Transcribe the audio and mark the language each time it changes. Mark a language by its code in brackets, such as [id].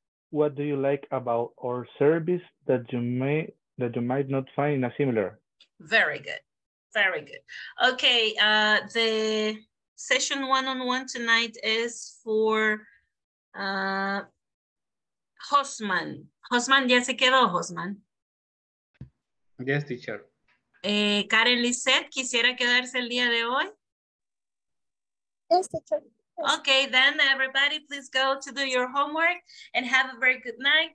[en] What do you like about our service that you might not find a similar? Very good. Very good. Okay, the session one-on-one tonight is for Josman. [es] Josman, ¿ya se quedó, Josman? [en] Yes, teacher. [es] Karen Lisette, ¿quisiera quedarse el día de hoy? [en] Yes, teacher. Okay, then everybody, please go to do your homework and have a very good night.